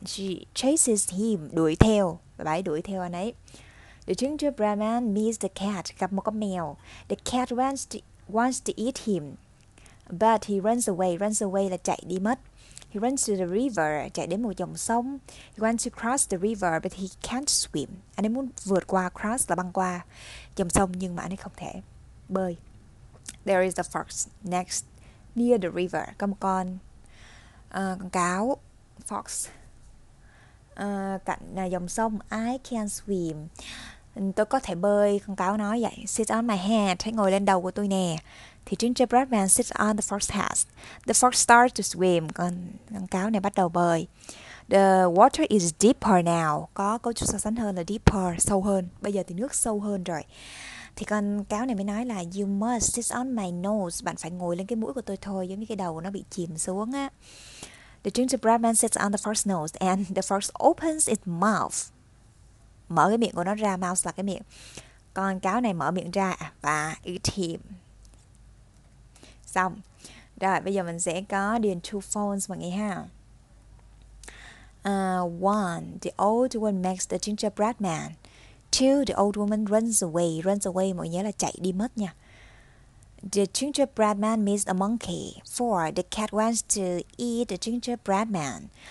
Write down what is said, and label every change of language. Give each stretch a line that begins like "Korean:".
English: She chases him,
Vietnamese: đuổi theo. Bà ấy đuổi theo anh ấy.
English: The gingerbread man meets the cat,
Vietnamese: gặp một con mèo.
English: The cat wants to eat him. But he runs away. Runs away
Vietnamese: là chạy đi mất.
English: He runs to the river,
Vietnamese: chạy đến một dòng sông.
English: He wants to cross the river, but he can't swim.
Vietnamese: Anh ấy muốn vượt qua, cross là băng qua dòng sông, nhưng mà anh ấy không thể bơi.
English: There is the fox next near the river,
Vietnamese: có một con cáo, fox, cạnh dòng sông.
English: I can swim,
Vietnamese: tôi có thể bơi, con cáo nói vậy.
English: Sit on my head,
Vietnamese: hãy ngồi lên đầu của tôi nè.
English: Thì Gingerbread Man sits on the fox's head. The fox starts to swim,
Vietnamese: con cáo này bắt đầu bơi.
English: The water is deeper now,
Vietnamese: có câu chú so sánh hơn là deeper, sâu hơn. Bây giờ thì nước sâu hơn rồi. Thì con cáo này mới nói là
English: you must sit on my nose,
Vietnamese: bạn phải ngồi lên cái mũi của tôi thôi, giống như cái đầu nó bị chìm xuống á.
English: The gingerbread man sits on the fox's nose and the fox opens its mouth.
Vietnamese: Mở cái miệng của nó ra, mouth là cái miệng. Con cáo này mở miệng ra và
English: eat him.
Vietnamese: Xong. Rồi, bây giờ mình sẽ có điền two phones mọi người ha.
English: One, the old one makes the gingerbread man. Two, the old woman runs away.
Vietnamese: Runs away, mọi người nhớ là chạy đi mất nha.
English: The gingerbread man meets a monkey. Four, the cat wants to eat the gingerbread man.